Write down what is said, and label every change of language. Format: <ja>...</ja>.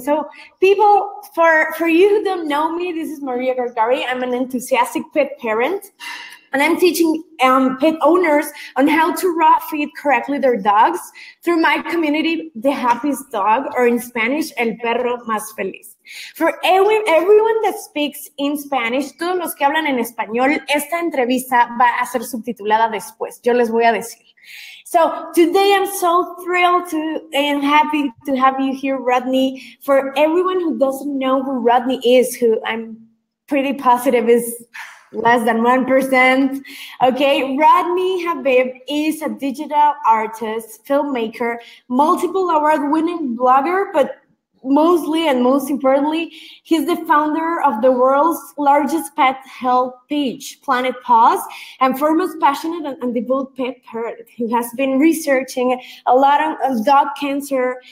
<en>So people, for you who don't know me, this is Maria Gargari. I'm an enthusiastic pet parent, and I'm teaching pet owners on how to raw feed correctly their dogs through my community, The Happiest Dog, or in Spanish, El Perro Más Feliz. For everyone that speaks in Spanish,</en> <es>todos los que hablan en español, esta entrevista va a ser subtitulada después. Yo les voy a decir.</es> <en>So today I'm so thrilled to and happy to have you here, Rodney. For everyone who doesn't know who Rodney is, who I'm pretty positive is less than 1%. Okay, Rodney Habib is a digital artist, filmmaker, multiple award-winning blogger, but mostly and most importantly, he's the founder of the world's largest pet health page, Planet Paws, and foremost passionate and devoted pet parent who has been researching a lot of dog cancer.</en>